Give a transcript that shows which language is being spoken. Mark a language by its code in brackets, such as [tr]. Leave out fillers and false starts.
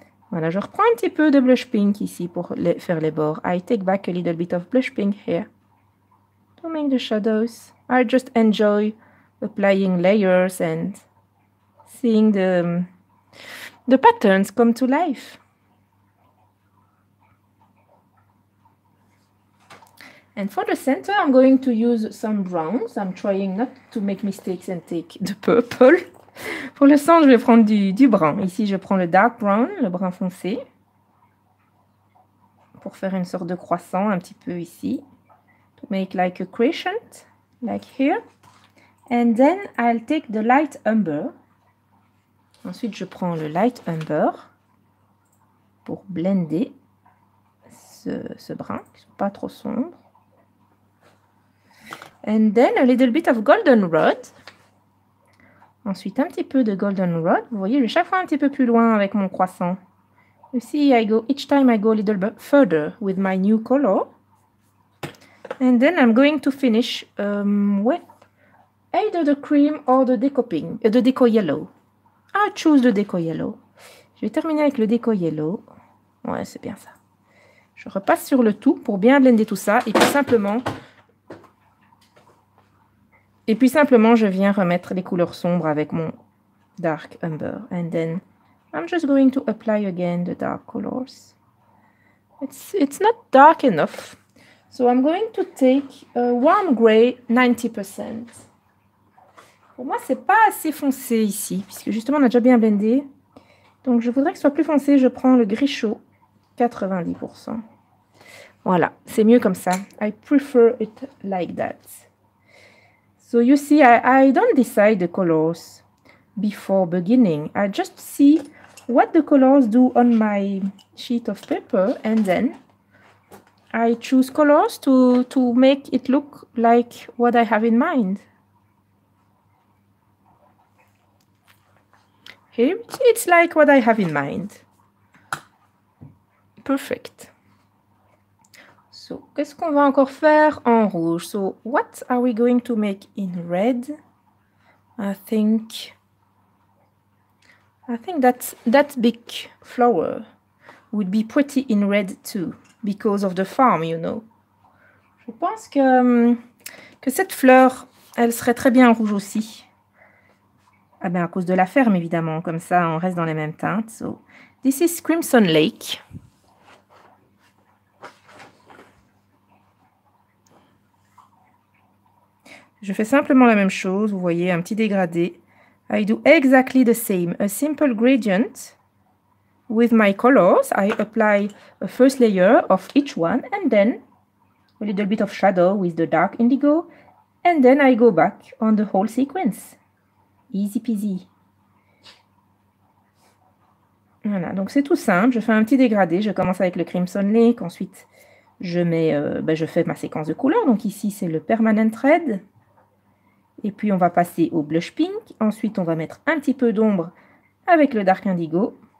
[fr] Voilà, je reprends un petit peu de blush pink ici pour faire les bords. [en] I take back a little bit of blush pink here to make the shadows. I just enjoy applying layers and seeing the patterns come to life. And for the center, I'm going to use some browns. I'm trying not to make mistakes and take the purple. [fr] Pour le centre, je vais prendre du brun. Ici, je prends le dark brown, le brun foncé. Pour faire une sorte de croissant un petit peu ici. [en] To make like a crescent, like here. And then I'll take the light umber. [fr] Ensuite, je prends le light umber pour blender ce brun, qui n'est pas trop sombre. [en] And then a little bit of goldenrod [fr] Ensuite, un petit peu de goldenrod. Vous voyez, je vais chaque fois un petit peu plus loin avec mon croissant. [en] You see, I go each time I go a little bit further with my new color. And then I'm going to finish with either the cream or the decoping, the deco yellow. I choose the deco yellow. [fr] Je vais terminer avec le deco yellow. Ouais, c'est bien ça. Je repasse sur le tout pour bien blender tout ça. Et puis simplement, je viens remettre les couleurs sombres avec mon dark umber. [en] And then I'm just going to apply again the dark colors. It's not dark enough. So I'm going to take a warm gray 90%. [fr] Pour moi, c'est pas assez foncé ici, puisque justement, on a déjà bien blendé. Donc, je voudrais que ce soit plus foncé. Je prends le gris chaud 90%. Voilà, c'est mieux comme ça. [en] I prefer it like that. So you see, I don't decide the colors before beginning. I just see what the colors do on my sheet of paper, and then I choose colors to make it look like what I have in mind. Here, it's like what I have in mind. Perfect. [fr] So, qu'est-ce qu'on va encore faire en rouge? [en] So, what are we going to make in red? I think that big flower would be pretty in red too, because of the farm, you know. [fr] Je pense que cette fleur, elle serait très bien en rouge aussi. Ah ben, à cause de la ferme, évidemment. Comme ça, on reste dans les mêmes teintes. [en] So, this is Crimson Lake. [fr] Je fais simplement la même chose. Vous voyez, un petit dégradé. [en] I do exactly the same. A simple gradient with my colors. I apply a first layer of each one. And then a little bit of shadow with the dark indigo. And then I go back on the whole sequence. Easy peasy. [fr] Voilà, donc c'est tout simple. Je fais un petit dégradé. Je commence avec le Crimson Lake. Ensuite, je fais ma séquence de couleurs. Donc ici, c'est le Permanent Red. Et puis, on va passer au Blush Pink. Ensuite, on va mettre un petit peu d'ombre avec le Dark Indigo.